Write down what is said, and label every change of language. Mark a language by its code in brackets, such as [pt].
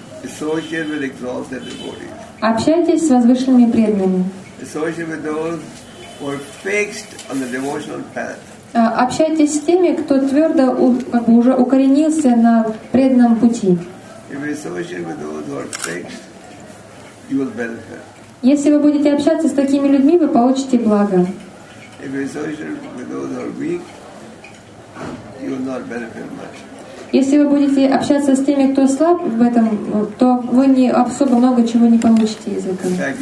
[en] Associate with exalted devotees. [ru] Общайтесь с возвышенными преданными. [en] Associate with those who are fixed on the devotional path. [ru] Общайтесь с теми, кто твердо как бы уже укоренился на преданном пути. [en] If you associate with those who are fixed, you will benefit. [ru] Если вы будете общаться с такими людьми, вы получите благо. [en] If you associate with those who are weak, you will not benefit much. [ru] Если вы будете общаться с теми, кто слаб в этом, то вы не особо много чего не получите из этого.